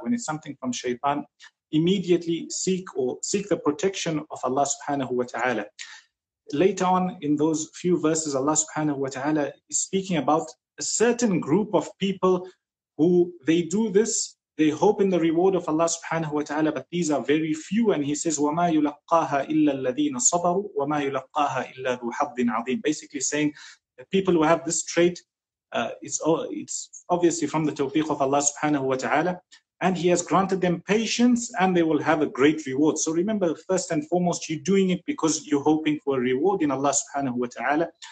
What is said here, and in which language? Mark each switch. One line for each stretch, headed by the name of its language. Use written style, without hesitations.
English: When it's something from shaytan, immediately seek the protection of Allah subhanahu wa ta'ala. Later on in those few verses, Allah subhanahu wa ta'ala is speaking about a certain group of people who they do this, they hope in the reward of Allah subhanahu wa ta'ala, but these are very few. And he says,
Arabic: وَمَا يُلَقَّاهَا إِلَّا الَّذِينَ صَبَرُوا وَمَا يُلَقَّاهَا إِلَّا ذُو حَظٍ عَظِيمٍ.
English: Basically saying that people who have this trait, it's obviously from the tawfiq of Allah subhanahu wa ta'ala. And he has granted them patience and they will have a great reward. So remember, first and foremost, you're doing it because you're hoping for a reward in Allah subhanahu wa ta'ala.